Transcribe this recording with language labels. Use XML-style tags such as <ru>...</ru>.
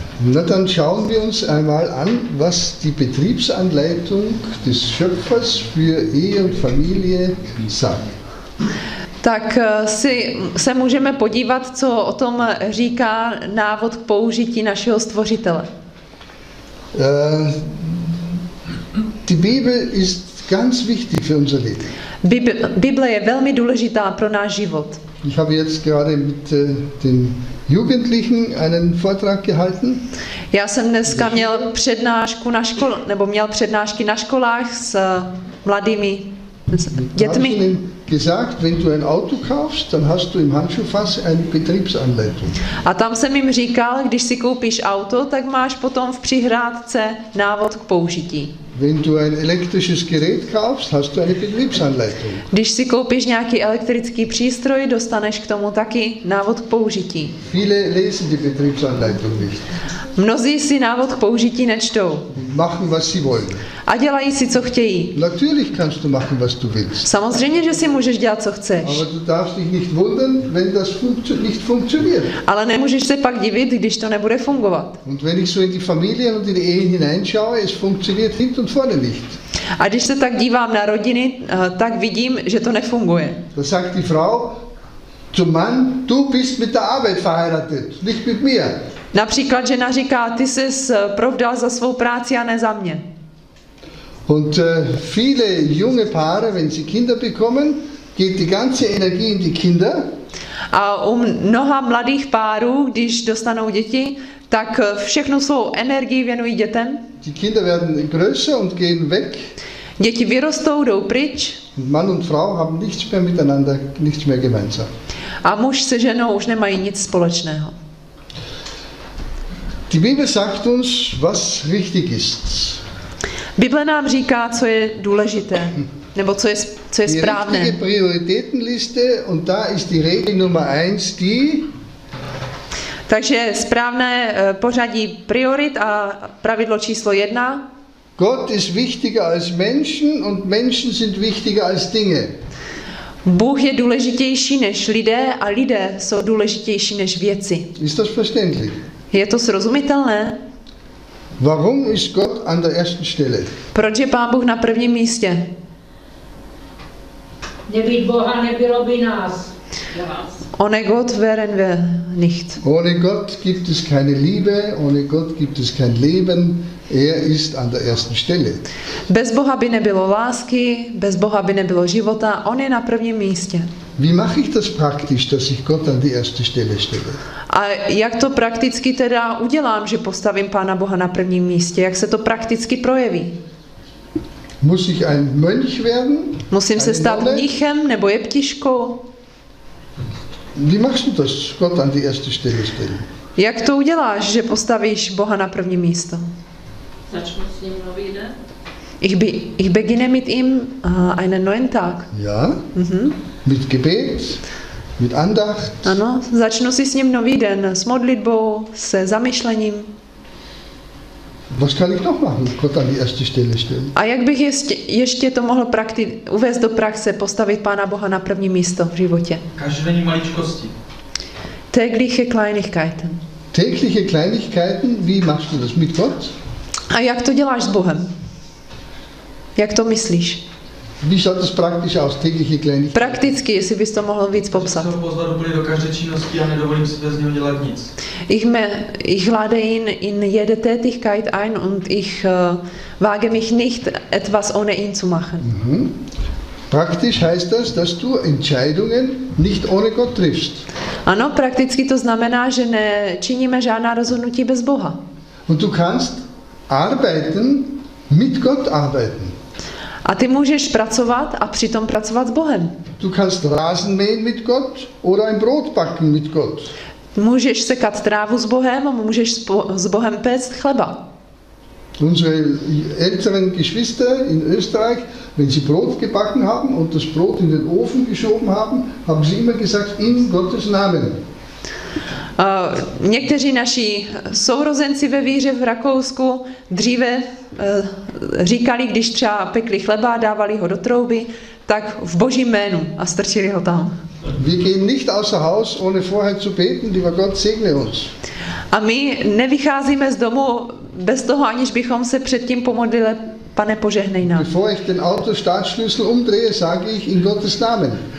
<de>Na, dann schauen wir uns einmal an, was die Betriebsanleitung des Schöpfers für Ehe und Familie sagt.</de> <cs>Tak si se můžeme podívat, co o tom říká návod k použití našeho stvořitele.</cs> <de>Die Bibel ist ganz wichtig für unser Leben.</de> <cs>Bible je velmi důležitá pro náš život.</cs> <de>Ich habe jetzt gerade mit den Jugendlichen einen Vortrag gehalten.</de> <cs>Já jsem dneska měl přednášku na škole, nebo měl přednášky na školách s mladými dětmi.</cs> <de>Ich habe ihnen gesagt, wenn du ein Auto kaufst, dann hast du im Handschuhfach eine Betriebsanleitung.</de> <cs>A tam jsem jim říkal, když si koupíš auto, tak máš potom v přihrádce návod k použití.</cs> <de>Wenn du ein elektrisches Gerät kaufst, hast du eine Betriebsanleitung.</de> <cs>Když si koupíš nějaký elektrický přístroj, dostaneš k tomu taky návod k použití.</cs> <de>Viele lesen die Betriebsanleitung nicht.</de> <cs>Mnozí si návod k použití nečtou.</cs> <de>Machen was sie wollen.</de> <cs>A dělají si, co chtějí.</cs> <de>Natürlich kannst du machen, was du willst.</de> <cs>Samozřejmě, že si můžeš dělat, co chceš.</cs> <de>Aber du darfst dich nicht wundern, wenn das nicht funktioniert.</de> <cs>Ale nemůžeš se pak divit, když to nebude fungovat.</cs> <de>Und wenn ich so in die Familien und in die Ehen hineinschaue, es funktioniert hinten und vorne nicht.</de> <cs>A když se tak dívám na rodiny, tak vidím, že to nefunguje.</cs> <de>Da sagt die Frau zum Mann, du bist mit der Arbeit verheiratet, nicht mit mir.</de> <cs>Například žena říká, ty jsi provdal za svou práci a ne za mě.</cs> <de>Und viele junge Paare, wenn sie Kinder bekommen, geht die ganze Energie in die Kinder.</de> <cs>A u mnoha mladých párů, když dostanou děti, tak všechnu svou energii věnují dětem.</cs> <de>Die Kinder werden größer und gehen weg.</de> <cs>Děti vyrostou, jdou pryč.</cs> <de>Und Mann und Frau haben nichts mehr miteinander, nichts mehr gemeinsam.</de> <cs>A muž se ženou už nemají nic společného.</cs> <de>Die Bibel sagt uns, was richtig ist.</de> <cs>Bible nám říká, co je důležité, nebo co je správné.</cs> <de>Die Prioritätenliste und da ist die Regel Nummer 1 die.</de> <cs>Takže správné pořadí priorit a pravidlo číslo 1.</cs> <de>Gott ist wichtiger als Menschen und Menschen sind wichtiger als Dinge.</de> <cs>Bůh je důležitější než lidé a lidé jsou důležitější než věci.</cs> <de>Ist das verständlich?</de> <cs>Je to srozumitelné?</cs> <de>Warum ist Gott an der ersten Stelle?</de> <cs>Proč je Pán Bůh na prvním místě? Nebýt Boha nebylo by nás.</cs> <de>Ohne Gott wären wir nicht. Ohne Gott gibt es keine Liebe, ohne Gott gibt es kein Leben. Er ist an der ersten Stelle.</de> <cs>Bez Boha by nebylo lásky, bez Boha by nebylo života. On je na prvním místě.</cs> <de>Wie mache ich das praktisch, dass ich Gott an die erste Stelle stelle?</de> <cs>A jak to prakticky teda udělám, že postavím Pána Boha na prvním místě? Jak se to prakticky projeví?</cs> <de>Muss ich ein Mönch werden?</de> <cs>Musím se stát mnichem nebo jeptiškou?</cs> <de>Wie machst du das, Gott an die erste Stelle stellen?</de> <cs>Jak to uděláš, že postavíš Boha na první místo?</cs> <de>Ich beginne mit ihm einen neuen Tag. Ja. Mit Gebet, mit Andacht.</de> <cs>Ano, začnu si s ním nový den, s modlitbou, se zamyšlením.</cs> <de>Was kann ich noch machen, Gott an die erste Stelle stellen?</de> <cs>A jak bych ještě to mohl uvést do praxe, postavit Pána Boha na první místo v životě? Každodenní maličkosti.</cs> <de>Tägliche Kleinigkeiten. Tägliche Kleinigkeiten, wie machst du das mit Gott?</de> <cs>A jak to děláš s Bohem? Jak to myslíš?</cs> <de>Wie schaut das praktisch aus, tägliche Kleinigkeiten?</de> <cs>Prakticky, jestli bys to mohl víc popsat.</cs> <de>Ich muss doch wohl</de> <cs>do každé činnosti a nedovolím si bez něho dělat nic.</cs> <de>Ich lade ihn in jede Tätigkeit ein und ich wage mich nicht etwas ohne ihn zu machen. Praktisch heißt das, dass du Entscheidungen nicht ohne Gott triffst.</de> <cs>Ano, prakticky to znamená, že nečiníme žádná rozhodnutí bez Boha.</cs> <de>Und du kannst arbeiten mit Gott arbeiten.</de> <cs>A ty můžeš pracovat a přitom pracovat s Bohem.</cs> <de>Du kannst Rasen mähen mit Gott oder ein Brot backen mit Gott.</de> <cs>Můžeš sekat trávu s Bohem a můžeš s Bohem péct chleba.</cs> <de>Unsere älteren Geschwister in Österreich, wenn sie Brot gebacken haben und das Brot in den Ofen geschoben haben, haben sie immer gesagt in Gottes Namen.</de> <cs>Někteří naši sourozenci ve víře v Rakousku dříve říkali, když třeba pekli chleba, dávali ho do trouby, tak v Božím jménu a strčili ho tam.</cs> <de>Wir gehen nicht außer Haus ohne vorher zu beten, lieber Gott segne uns.</de> <cs>A my nevycházíme z domu bez toho, aniž bychom se předtím pomodlili, Pane, požehnej nám.</cs> <de>Bevor ich den Autostartschlüssel umdrehe, sage ich in Gottes Namen.</de>